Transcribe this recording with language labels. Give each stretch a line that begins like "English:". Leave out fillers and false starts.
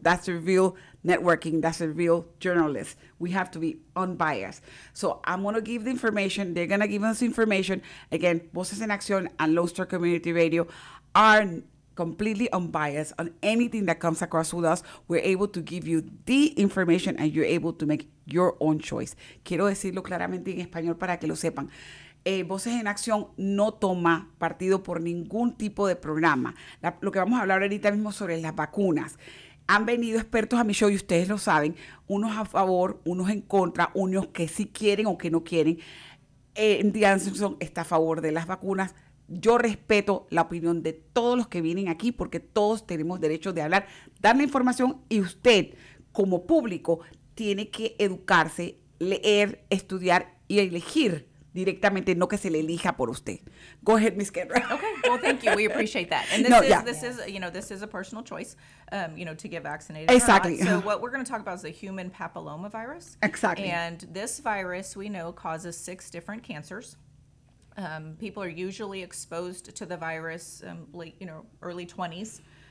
English: That's a real networking. That's a real journalist. We have to be unbiased. So I'm going to give the information. They're going to give us information. Again, Voces en Acción and Lone Star Community Radio are completely unbiased on anything that comes across with us. We're able to give you the information, and you're able to make your own choice.
Spanish: Quiero decirlo claramente en español para que lo sepan. Voces en Acción no toma partido por ningún tipo de programa. Lo que vamos a hablar ahorita mismo sobre las vacunas. Han venido expertos a mi show, y ustedes lo saben, unos a favor, unos en contra, unos que sí quieren o que no quieren. Andy Anderson está a favor de las vacunas. Yo respeto la opinión de todos los que vienen aquí, porque todos tenemos derecho de hablar, dar la información, y usted, como público, tiene que educarse, leer, estudiar y elegir directamente, no que se le elija por usted.
English: Go ahead, Ms. Kendra. Okay, well, thank you. We appreciate that. And this is a personal choice, you know, to get vaccinated. Exactly. So what we're going to talk about is the human papillomavirus. Exactly. And this virus, we know, causes 6 different cancers. People are usually exposed to the virus early 20s.